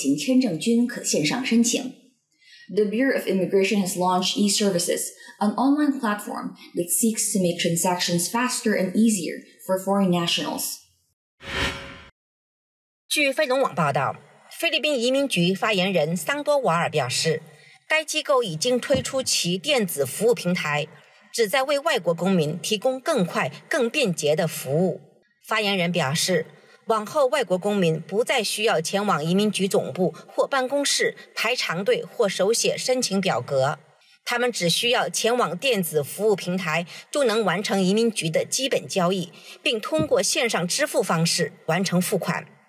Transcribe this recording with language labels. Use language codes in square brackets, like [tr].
[zh] 菲中新闻台综合报道。移民局年内全面推出电子服务平台，所有类型签证均可线上申请。 [en] The Bureau of Immigration has launched eServices, an online platform that seeks to make transactions faster and easier for foreign nationals. [zh] 据菲农网报道，菲律宾移民局发言人桑多瓦尔表示，该机构已经推出其电子服务平台，旨在为外国公民提供更快、更便捷的服务。发言人表示。往后，外国公民不再需要前往移民局总部或办公室排长队或手写申请表格，他们只需要前往电子服务平台，就能完成移民局的基本交易，并通过线上支付方式完成付款。